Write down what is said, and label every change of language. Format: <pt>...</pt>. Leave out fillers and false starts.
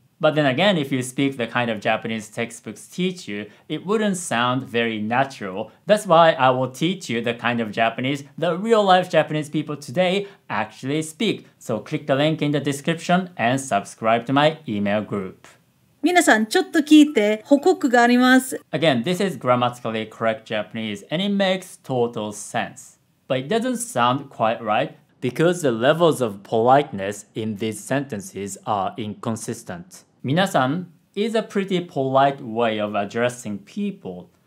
<en>But then again, if you speak the kind of Japanese textbooks teach you, it wouldn't sound very natural. That's why I will teach you the kind of Japanese that real-life Japanese people today actually speak. So click the link in the description and subscribe to my email group.</en> <ja>皆さん、ちょっと聞いて、報告があります。</ja> <en>Again, this is grammatically correct Japanese, and it makes total sense. But it doesn't sound quite right. Because the levels of politeness in these sentences are inconsistent. 皆さん is a pretty polite way of addressing people.</en>